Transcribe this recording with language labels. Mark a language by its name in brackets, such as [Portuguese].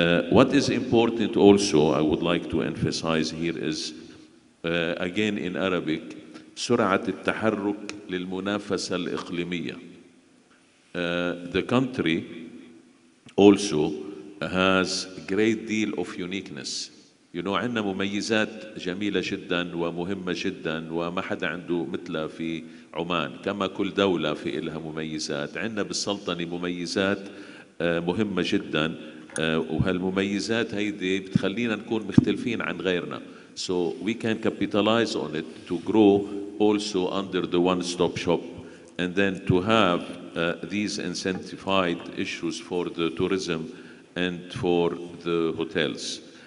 [English] What is important also, I would like to emphasize here is, again in Arabic, [Arabic] سرعة التحرك للمنافسة الإقليمية. [English] The country also has a great deal of uniqueness. You know, [Arabic] عندنا مميزات جميلة جدا ومهمة جدا وما حدا عنده مثلها في عمان. كما كل دولة في إلها مميزات. عندنا بالسلطنة مميزات مهمة جدا. وهالمميزات هيدي بتخلينا نكون مختلفين عن غيرنا. [English] So we can capitalize on it to grow also under the one-stop shop, and then to have these incentivized issues for the tourism and for the hotels.